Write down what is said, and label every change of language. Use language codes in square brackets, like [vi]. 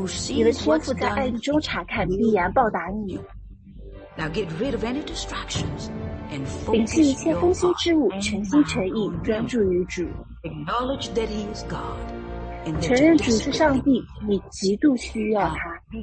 [zh] 你的天父在暗中查看，必然报答你。 [en] Now get rid of any distractions and focus your heart. [zh] 摒弃一切分心之物，全心全意专注于主。 [en] Acknowledge that He is God. [zh] 承认主是上帝，你极度需要他。